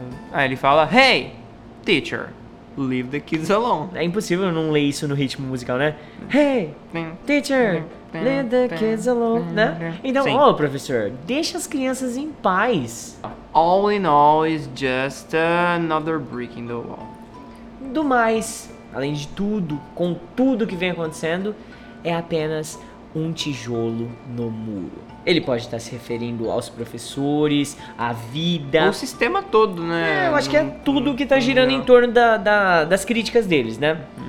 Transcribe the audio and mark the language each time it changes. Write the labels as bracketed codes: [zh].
[pt] Aí ele fala, [en] hey, teacher, leave the kids alone. [pt] É impossível não ler isso no ritmo musical, né? [en] Hey, teacher, leave the kids alone, [pt] né? Então, ô, professor, deixa as crianças em paz. [en] All in all is just another brick in the wall. [pt] Do mais, além de tudo, com tudo que vem acontecendo, é apenas um tijolo no muro. Ele pode estar se referindo aos professores, à vida... O sistema todo, né? É, eu acho que é tudo que tá girando em torno das críticas deles, né?